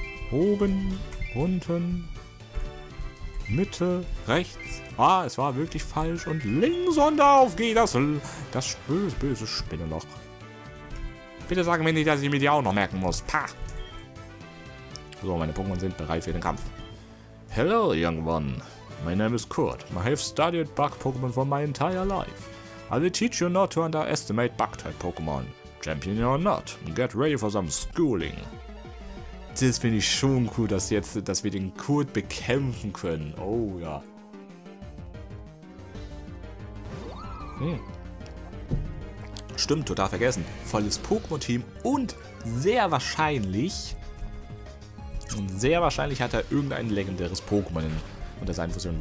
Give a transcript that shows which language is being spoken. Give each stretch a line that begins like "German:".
German: Oben, unten. Mitte, rechts. Ah, es war wirklich falsch. Und links und auf geht das böse, böse Spinnenloch. Bitte sag mir nicht, dass ich mir die auch noch merken muss. Pah! So, meine Pokémon sind bereit für den Kampf.
English: Hello, young one. My name is Kurt. I have studied bug Pokémon for my entire life. I will teach you not to underestimate bug type Pokémon. Champion or not, get ready for some schooling.
German: Das finde ich schon cool, dass jetzt, dass wir den Kurt bekämpfen können. Oh ja. Stimmt, total vergessen. Volles Pokémon-Team und sehr wahrscheinlich hat er irgendein legendäres Pokémon unter seinen Fusionen.